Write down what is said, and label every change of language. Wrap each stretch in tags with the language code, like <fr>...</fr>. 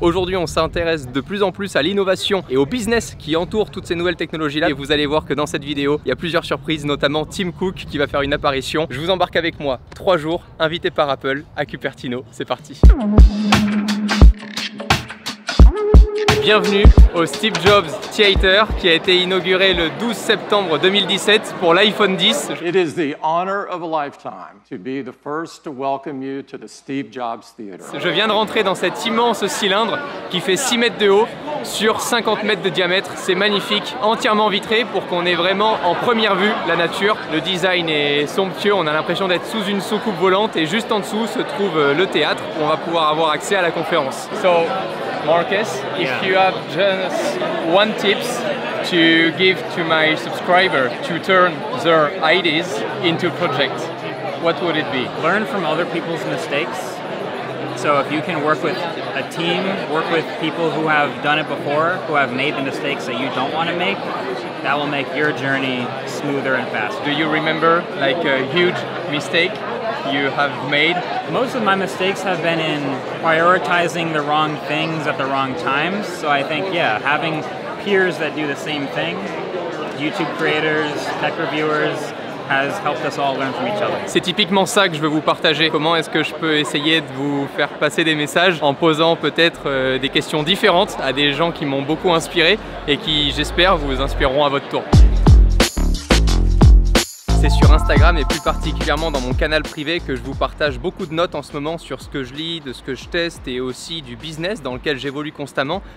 <fr>Aujourd'hui on s'intéresse de plus en plus à l'innovation et au business qui entoure toutes ces nouvelles technologies là. Et vous allez voir que dans cette vidéo il y a plusieurs surprises, notamment Tim Cook qui va faire une apparition. Je vous embarque avec moi, 3 jours, invité par Apple à Cupertino, c'est parti. Bienvenue au Steve Jobs Theater qui a été inauguré le 12 septembre 2017 pour l'iPhone 10.</fr> <en>It is the honor of a lifetime to be the first to welcome you to the Steve Jobs Theater.</en> <fr>Je viens de rentrer dans cet immense cylindre qui fait 6 mètres de haut sur 50 mètres de diamètre. C'est magnifique, entièrement vitré pour qu'on ait vraiment en première vue la nature. Le design est somptueux, on a l'impression d'être sous une soucoupe volante et juste en dessous se trouve le théâtre où on va pouvoir avoir accès à la conférence.</fr> <en>So, Marcus, if you have just one tips to give to my subscriber to turn their ideas into projects, what would it be? Learn from other people's mistakes. So if you can work with a team, work with people who have done it before, who have made the mistakes that you don't want to make, that will make your journey smoother and faster. Do you remember like a huge mistake you have made? Most of my mistakes have been in prioritizing the wrong things at the wrong times. So I think, yeah, having peers that do the same thing, YouTube creators, tech reviewers, has helped us all learn from each other.</en> <fr>C'est typiquement ça que je veux vous partager. Comment est-ce que je peux essayer de vous faire passer des messages en posant peut-être des questions différentes à des gens qui m'ont beaucoup inspiré et qui, j'espère, vous inspireront à votre tour. C'est sur Instagram et plus particulièrement dans mon canal privé que je vous partage beaucoup de notes en ce moment sur ce que je lis, de ce que je teste et aussi du business dans lequel j'évolue constamment.</fr>